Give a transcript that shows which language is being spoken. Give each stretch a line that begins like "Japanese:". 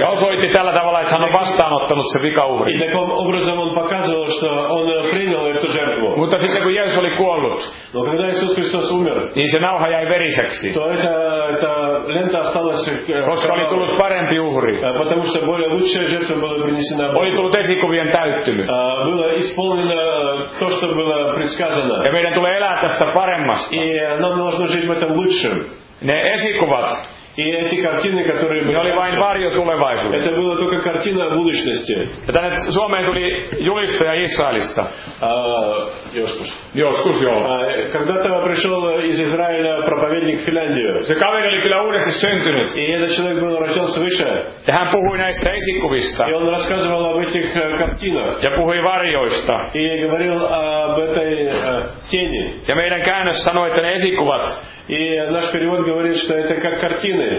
Finnish: Ja osoitti tällä tavalla, että hän on vastaanottanut sen vikauhrin.
Russian: И таким образом он показывал, что он принял эту жертву.
Finnish: Mutta sitten kun Jeesus oli kuollut.
Russian: Но когда Иисус Христос умер.
Finnish: Niin se nauha jäi veriseksi. Tuo
Russian: лента осталась.
Finnish: Koska oli tullut parempi uhri.
Russian: Потому что более лучшая жертва была принесена.
Finnish: Oli tullut esikuvien täyttymys.
Russian: Было исполнено то, что было предсказано.
Finnish: Ja meidän tulee elää tästä paremmasta.
Russian: И нам нужно жить в этом лучшем.
Finnish: Ne esikuvat.
Russian: И эти картины, которые были.
Finnish: Ne oli vain varjo tulevaisuudesta.
Russian: Это была только картина будущности.
Finnish: Ja tänne Suomeen tuli julistaja Israelista. Joskus, joo.
Russian: Когда-то пришел из Израиля проповедник в Финляндию.
Finnish: Se kaveri oli kyllä uudesti syntynyt.
Russian: И этот человек был рожден свыше.
Finnish: Ja hän puhui näistä esikuvista.
Russian: И он рассказывал об этих картинах.
Finnish: Ja puhui varjoista.
Russian: И говорил об этой тени.
Finnish: Ja meidän käännös sanoi, että ne esikuvat.
Russian: И наш перевод говорит, что это как картины.